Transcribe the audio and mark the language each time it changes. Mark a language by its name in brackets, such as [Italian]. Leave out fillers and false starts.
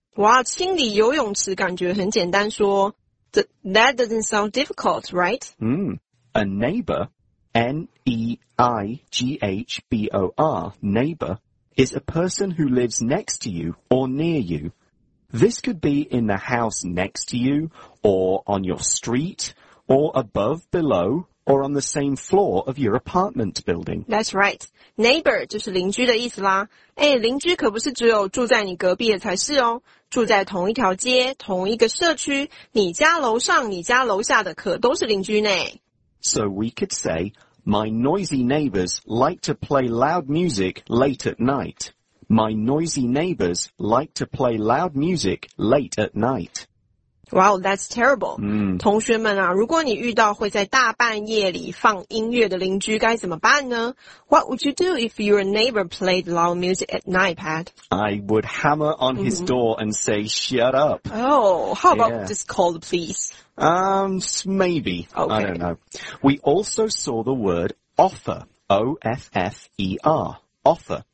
[Chinese] 哇，清理游泳池感觉很简单说。 [English] That doesn't sound difficult, right? A neighbor, N-E-I-G-H-B-O-R, neighbor, is a person who lives next to you or near you. This could be in the house next to you, or on your street, or above, below... or on the same floor of your apartment building. That's right. [Chinese] Neighbor 就是邻居的意思啦。诶，邻居可不是只有住在你隔壁的才是哦。住在同一条街，同一个社区，你家楼上，你家楼下的可都是邻居呢。 [English] So we could say, my noisy neighbors like to play loud music late at night. My noisy neighbors like to play loud music late at night. Wow, that's terrible. [Chinese] 同学们啊，如果你遇到会在大半夜里放音乐的邻居该怎么办呢？ [English] What would you do if your neighbor played loud music at night, Pat? I would hammer on his door and say, shut up. Oh, how about just call the police? Maybe. Okay. I don't know. We also saw the word offer, O-F-F-E-R, offer.